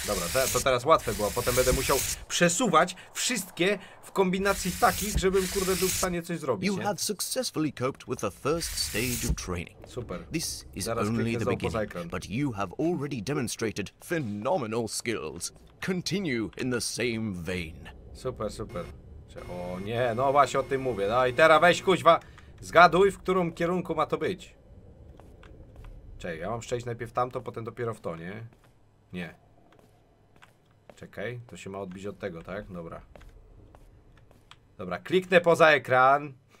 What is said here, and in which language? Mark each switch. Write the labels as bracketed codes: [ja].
[pl] Dobra, to teraz łatwe było. Potem będę musiał przesuwać wszystkie w kombinacji takich, żebym kurde był w stanie coś zrobić. [en] You have successfully coped with the first stage of training. Super. This is only the beginning, but you have already demonstrated phenomenal skills. Continue in the same vein. Super. [pl] O nie, no właśnie o tym mówię. No i teraz weź kuźwa, zgaduj, w którym kierunku ma to być. Czekaj, ja mam przejść najpierw tamto, potem dopiero w to, nie? Nie. Czekaj, to się ma odbić od tego, tak? Dobra. Dobra, kliknę poza ekran.